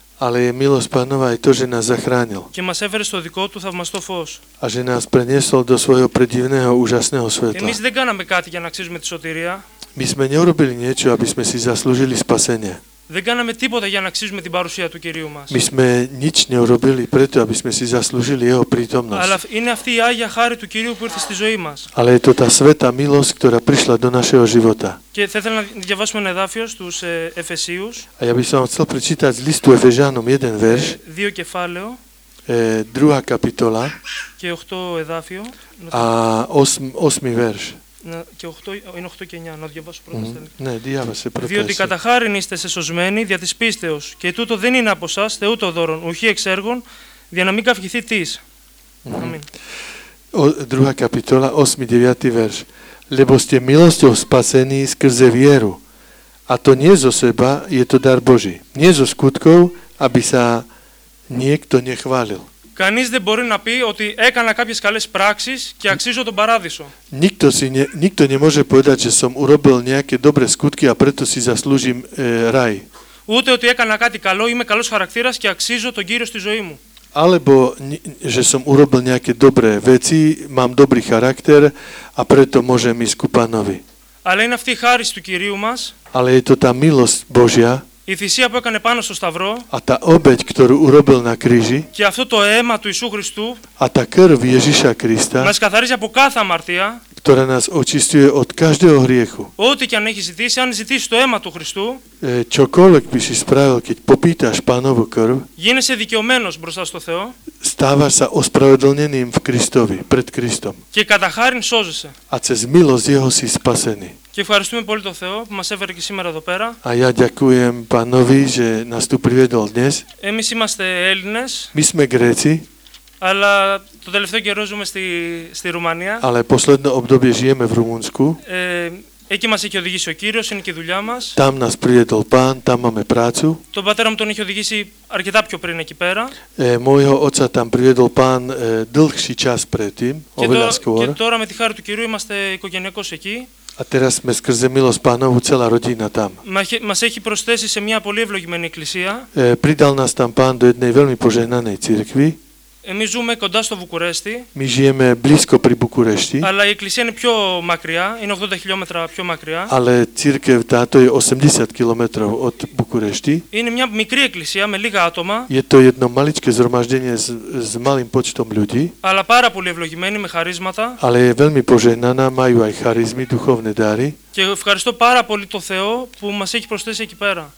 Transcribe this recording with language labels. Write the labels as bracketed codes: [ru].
[sk] Ale je milosť Pánova aj to, že nás zachránil. [el] Και μας έφερε στο δικό του θαυμαστό φως. [sk] A že nás preniesol do svojho predivného, úžasného svetla. [el] Εμείς δεν κάναμε κάτι για να αξίζουμε τη σωτηρία. [sk] My sme neurobili niečo, aby sme si zaslúžili spasenie. [el] Δεν κάναμε τίποτα για να αξίζουμε την παρουσία του Κυρίου μας. [sk] My sme nič neurobili preto, aby sme si zaslúžili jeho prítomnosť. [el] Αλλά είναι αυτή η Άγια χάρη του Κυρίου που ήρθε στη ζωή μας. [sk] Ale je to tá svätá milosť, ktorá prišla do našeho života. [el] Και θα ήθελα να διαβάσουμε ένα εδάφιο στους Εφεσίους. [sk] A ja by som chcel prečítať z listu Efežanom jeden verš. [el] Δύο κεφάλαιο. [sk] Druhá kapitola. [el] Και οχτώ εδάφιο. [sk] A osmý verš. [el] Και 8, είναι 8 και 9, να διαβάσω πρώτα. Ναι, διάβασε πρώτα. Διότι κατά χάριν είστε σε σωσμένοι δια της πίστεως, και τούτο δεν είναι από σας, Θεού το δώρον, ουχή εξ έργων, δια να μην καυχηθεί της. [sk] Druhá kapitola, 8, 9 verš. Lebo ste milosťou spasení skrze vieru, a to nie zo seba, je to dar Boží. Nie zo skutkov, aby sa niekto nechválil. [el] Κανείς δεν μπορεί να πει ότι έκανα κάποιες καλές πράξεις και αξίζω τον παράδεισο. [sk] Nikto nie môže povedať, že som urobil nejaké dobré skutky a preto si zaslúžim raj. [el] Ούτε ότι έκανα κάτι καλό, είμαι καλός χαρακτήρας και αξίζω τον Κύριο στη ζωή μου. [sk] Alebo že som urobil nejaké dobré veci, mám dobrý charakter a preto môžem ísť ku Pánovi. Ale [el] είναι αυτή η χάρη του Κυρίου μας. [sk] Ale je to tá milosť Božia. [el] Η θυσία που έκανε πάνω στο Σταυρό [sk] a tá obeť, ktorú urobil na kríži, [el] και αυτό το αίμα του Ιησού Χριστού [sk] a tá krv Ježíša Krista, [el] μας καθαρίζει από κάθε αμαρτία, [sk] ktorá nás očistuje od každého hriechu. [el] Ό,τι και αν έχεις ζητήσει, αν ζητήσεις το αίμα του Χριστού, [sk] čokoľvek by si spravil, keď popýtaš Pánovu krv, [el] γίνεσαι δικαιωμένος μπροστά στο Θεό, [sk] stávaš sa ospravedlneným v Kristovi, pred Kristom, [el] και κατά χάριν σώζεσαι, [sk] a cez milosť Jeho si spasený. [el] Και ευχαριστούμε πολύ τον Θεό που μας έφερε και σήμερα εδώ πέρα. [sk] A ja ďakujem Pánovi, že nás tu priviedol dnes. [el] Εμείς είμαστε Έλληνες. [sk] My sme Gréci. [el] Αλλά το τελευταίο καιρό ζούμε στη Ρουμανία. [sk] Ale posledné obdobie žijeme v Rumunsku. [el] Εκεί μας έχει οδηγήσει ο Κύριος, είναι και η δουλειά μας. [sk] Tam nás priviedol Pán, tam máme prácu. [el] Τον πατέρα μου τον έχει οδηγήσει αρκετά πιο πριν εκεί πέρα. [sk] Môjho otca tam priviedol Pán dlhší čas predtým, oveľa skôr. [el] Και τώρα με τη χάρη του Κυρίου είμαστε οικογενειακώς εκεί. [sk] A teraz sme skrze milosť Pánovu celá rodina tam. [el] Mas έχει προσθέσει σε μια πολύ ευλογημένη εκκλησία. [sk] Pridal nás tam Pán do jednej veľmi požehnanej cirkvi. [el] Εμείς ζούμε κοντά στο Βουκουρέστι. [sk] My žijeme blízko pri Bukurešti. [el] Αλλά η εκκλησία είναι πιο μακριά, είναι 80 χιλιόμετρα πιο μακριά. [sk] Ale církev táto je 80 km od Bukurešti. [el] Είναι μια μικρή εκκλησία με λίγα άτομα. [sk] Je to jedno maličké zhromaždenie s malým počtom ľudí. [el] Αλλά πάρα πολύ ευλογημένη με χαρίσματα. [sk] Ale je veľmi požehnaná, majú aj charizmy, duchovné dary. [el] Και ευχαριστώ πάρα πολύ το Θεό που μας έχει προσθέσει εκεί πέρα.